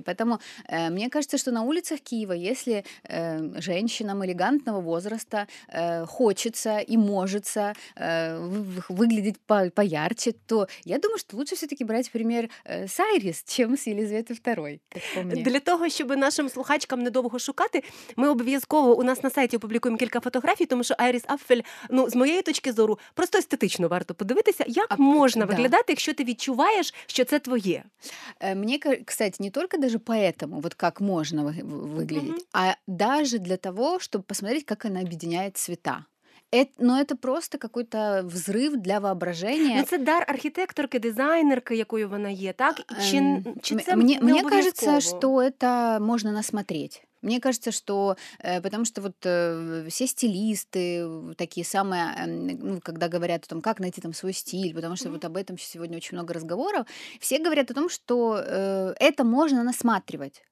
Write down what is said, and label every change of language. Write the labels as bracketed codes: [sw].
[ru] Поэтому мне кажется, что на улицах Киева, если женщинам элегантного возраста хочется и может выглядеть поярче, то я думаю, что лучше все-таки брать пример с Айрис, чем с Елизаветы II. [uk] Для того, щоб нашим слухачкам не довго шукати, ми обов'язково у нас на сайті опублікуємо кілька фотографій, тому що Айріс Апфель, ну, з моєї точки зору, просто естетично варто подивитися, як можна виглядати, якщо ти відчуваєш, що це твоє. [ru] Мені, кстати, не тільки даже по этому, вот как можно выглядеть, а даже для того, щоб посмотреть, [uk] як вона об'єднує цвіта. [ru] Но это просто какой-то взрыв для воображения. Но это дар архитекторки, дизайнерки, якою вона є, так? Мне кажется, что это можно насмотреть. Мне кажется, что потому что вот все стилисты такие самые, ну, когда говорят о том, как найти там свой стиль, потому что вот об этом сегодня очень много разговоров, все говорят о том, что это можно насматривать.